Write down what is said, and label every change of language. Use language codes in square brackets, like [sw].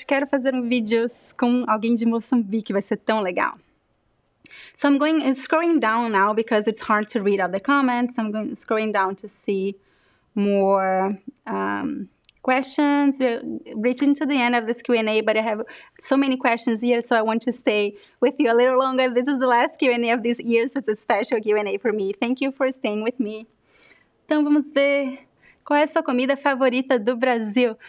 [pt] Quero fazer um vídeo com alguém de Moçambique, vai ser tão legal. [en] So I'm going and scrolling down now because it's hard to read all the comments. I'm going scrolling down to see more questions. We're reaching to the end of this Q&A, but I have so many questions here, so I want to stay with you a little longer. This is the last Q&A of this year, so it's a special Q&A for me. Thank you for staying with me. [pt] Então vamos ver. Qual é a sua comida favorita do Brasil?